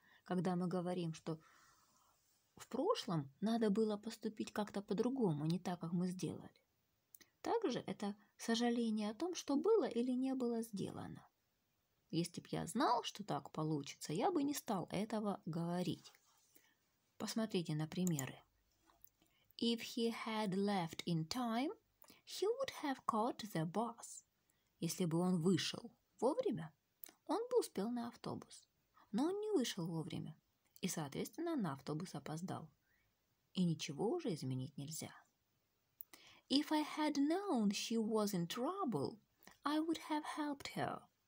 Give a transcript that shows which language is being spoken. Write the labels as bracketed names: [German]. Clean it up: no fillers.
[Russian] Когда мы говорим, что в прошлом надо было поступить как-то по-другому, не так, как мы сделали. Также это сожаление о том, что было или не было сделано. Если бы я знал, что так получится, я бы не стал этого говорить. Посмотрите на примеры. [English] If he had left in time, he would have caught the bus. [Russian] Если бы он вышел вовремя, он бы успел на автобус, но он не вышел вовремя и, соответственно, на автобус опоздал. И ничего уже изменить нельзя. [English] If I had known she was in trouble, I would have helped her.